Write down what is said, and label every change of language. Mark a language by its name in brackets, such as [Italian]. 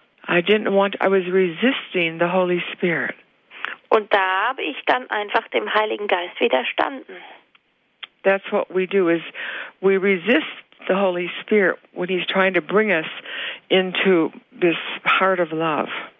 [English] I was resisting the Holy Spirit. [German] Und da habe ich dann einfach dem Heiligen Geist widerstanden. [English] That's what we do, is we resist the Holy Spirit when he's trying to bring us into this heart of love.